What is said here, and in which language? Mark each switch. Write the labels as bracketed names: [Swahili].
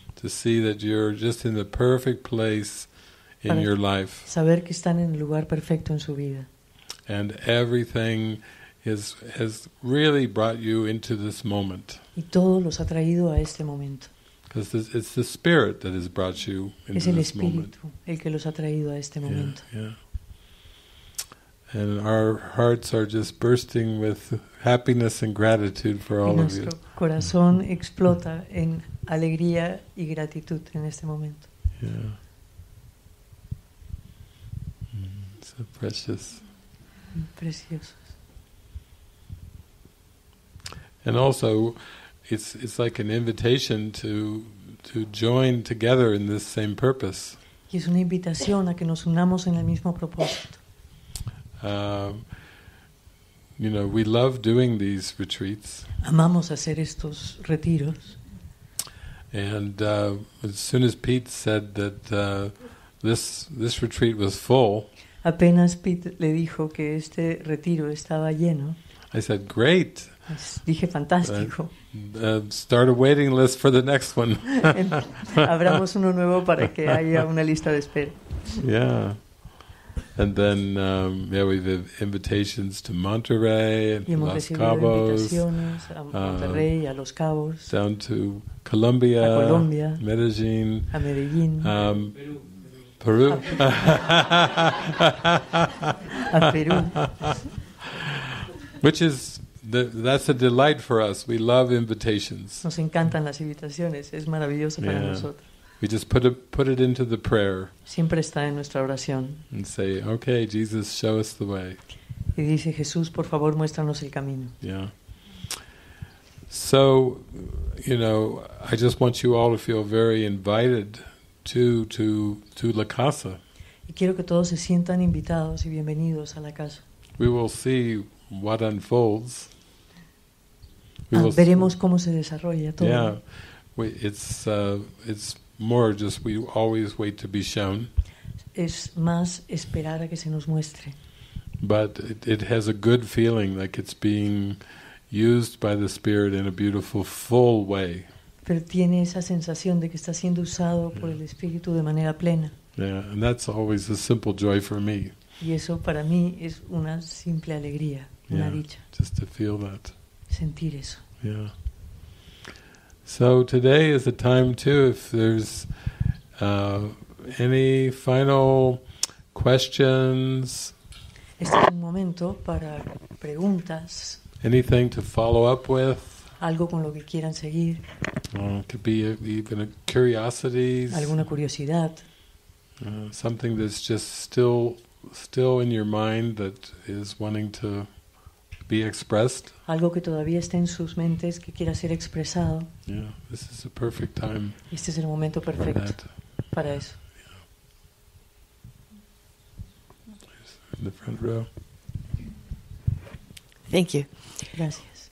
[English] To see that you're just in the perfect place in your life. [Spanish] Saber que están en el lugar perfecto en su vida. [English] And everything has really brought you into this moment. [Spanish] Y todo los ha traído a este momento. [English] Because it's the spirit that has brought you into this moment. [Spanish] Es el espíritu el que los ha traído a este momento. Yeah. [English] And our hearts are just bursting with happiness and gratitude for all of you. [Spanish] Nuestro corazón explota en alegría y gratitud en este momento. Yeah. [English] So precious. [Spanish] Precioso. [English] And also, it's like an invitation to join together in this same purpose. [Spanish] Y es una invitación a que nos unamos en el mismo propósito. [English] You know, we love doing these retreats. [Spanish] Amamos hacer estos retiros. [English] And as soon as Pete said that this retreat was full, [Spanish] apenas Pete le dijo que este retiro estaba lleno, [English] I said, great. [Spanish] Dije, fantástico. [English] Start a waiting list for the next one. [Spanish] Abramos uno nuevo para que haya una lista de espera. [English] Yeah. And then we have invitations to Monterrey and Los Cabos. [Spanish] Invitaciones a Monterrey, a Los Cabos. [English] Down to Colombia. [Spanish] A Colombia. [English] Medellín. [Spanish] A Medellín. [English] Peru. [Spanish] A Peru. [English] Which is that's a delight for us. We love invitations. [Spanish] Nos encantan las invitaciones. Es maravilloso para nosotros. [English] We just put it into the prayer. [Spanish] Siempre está en nuestra oración. [English] And say, okay, Jesus, show us the way. [Spanish] Y dice, Jesús, por favor, muéstranos el camino. Yeah. [English] So, you know, I just want you all to feel very invited to la casa. [Spanish] Y quiero que todos se sientan invitados y bienvenidos a la casa. [English] We will see what unfolds. [Spanish] Veremos cómo se desarrolla todo. [English] Yeah, it's more just we always wait to be shown. [Spanish] Es más esperar a que se nos muestre. [English] But it has a good feeling, like it's being used by the Spirit in a beautiful, full way. [Spanish] Pero tiene esa sensación de que está siendo usado por el Espíritu de manera plena. [English] Yeah, and that's always a simple joy for me. [Spanish] Y eso para mí es una simple alegría, una dicha. [English] Just to feel that. [Spanish] Sentir eso. [English] Yeah. So today is a time too, if there's any final questions. [Spanish] Este es un momento para preguntas. [English] Anything to follow up with. [Spanish] Algo con lo que quieran seguir. [English] Could be even a curiosities. [Spanish] Alguna curiosidad. [English] Something that's just still in your mind that is wanting to be expressed. [Spanish] Algo que todavía esté en sus mentes que quiera ser expresado. [English] Yeah, this is a perfect time. [Spanish] Este es el momento perfecto para eso. [English] Yeah. In the front row. Thank you. [Spanish] Gracias.